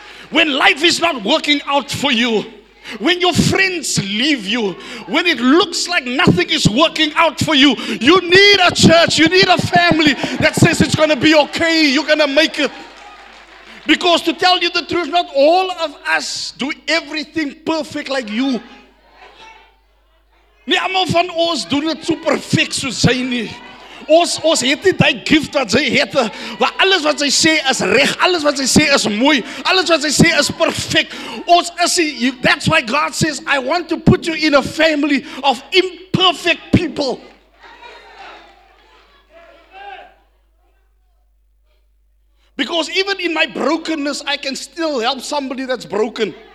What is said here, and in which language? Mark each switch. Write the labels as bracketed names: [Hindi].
[English] When life is not working out for you, when your friends leave you, when it looks like nothing is working out for you, you need a church, you need a family that says it's going to be okay, you're going to make it. Because to tell you the truth, not all of us do everything perfect like you. [Afrikaans] Nie almal van ons doen dit so perfek soos jy nie. Ons het nie die gift wat sy het, waar alles wat sy sê is reg, alles wat sy sê is mooi, alles wat sy sê is perfect. Ons is nie, [English] that's why God says, I want to put you in a family of imperfect people. Because even in my brokenness, I can still help somebody that's broken.